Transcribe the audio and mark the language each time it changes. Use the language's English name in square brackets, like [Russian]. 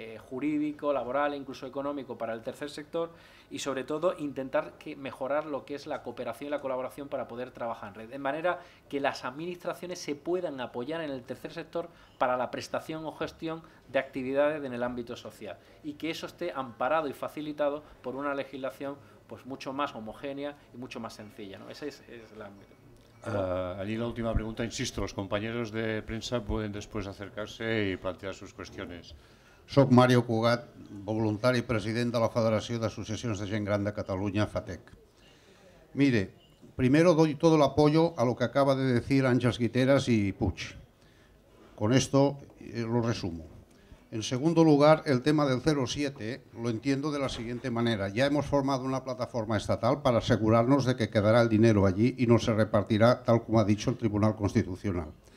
[Spanish] jurídico, laboral, incluso económico, para el tercer sector, y sobre todo intentar mejorar lo que es la cooperación y la colaboración para poder trabajar en red, de manera que las administraciones se puedan apoyar en el tercer sector para la prestación o gestión de actividades en el ámbito social, y que eso esté amparado y facilitado por una legislación pues mucho más homogénea y mucho más sencilla, ¿no? Ese es el ámbito. Allí la última pregunta, insisto, los compañeros de prensa pueden después acercarse y plantear sus cuestiones. [Catalan] Soc Mario Cugat, voluntari president de la Federació d'Associacions de Gent Gran de Catalunya, FATEC. [Spanish] Mire, primero doy todo el apoyo a lo que acaba de decir Àngels Guiteras y Puig. Con esto lo resumo. En segundo lugar, el tema del 07 lo entiendo de la siguiente manera. Ya hemos formado una plataforma estatal para asegurarnos de que quedará el dinero allí y no se repartirá tal como ha dicho el Tribunal Constitucional.